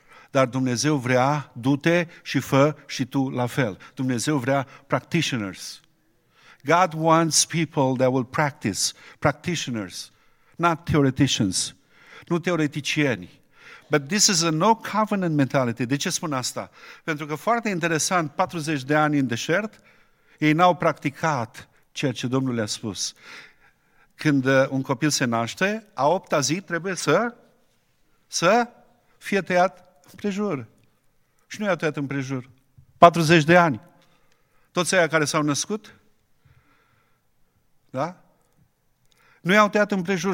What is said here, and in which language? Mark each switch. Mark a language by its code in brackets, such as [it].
[ro] Dar Dumnezeu vrea, du-te și fă și tu la fel. Dumnezeu vrea practitioners. [en] God wants people that will practice. Practitioners, not theoreticians. [ro] Nu teoreticieni. [en] But this is a no-covenant mentality. [ro] De ce spun asta? Pentru că foarte interesant, 40 de ani în deșert, ei n-au practicat ceea ce Domnul le-a spus. Când un copil se naște, a 8-a zi trebuie să fie tăiat împrejur. Și nu i-a tăiat împrejur. 40 de ani. Toți aia care s-au născut, da? Nu i-au tăiat împrejur.